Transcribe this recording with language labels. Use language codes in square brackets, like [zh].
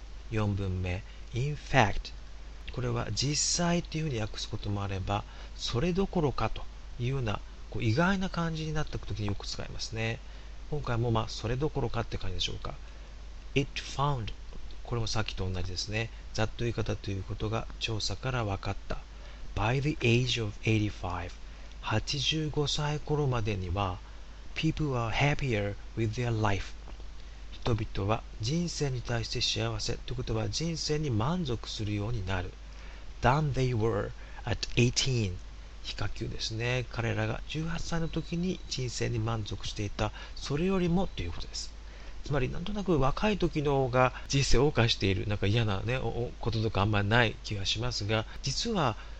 [ja] 4分目、 [en] In fact、 [ja] これは実際というふうに訳すこともあれば、それどころかというような、こう意外な感じになっていくときによく使いますね。今回もそれどころかって感じでしょうか。 [en] It found [ja] これもさっきと同じですね。ざっと言い方ということが調査から分かった。 [en] By the age of 85, [ja] 85歳頃までには、 [en] People are happier with their life. [ja] 人々は人生に対して幸せということは人生に満足するようになる。 [en] Than they were at 18. [ja] 比較級ですね。彼らが18歳の時に人生に満足していた、それよりもということです。つまり、なんとなく若い時の方が人生を謳歌している、なんか嫌なこととかあんまりない気がしますが、実は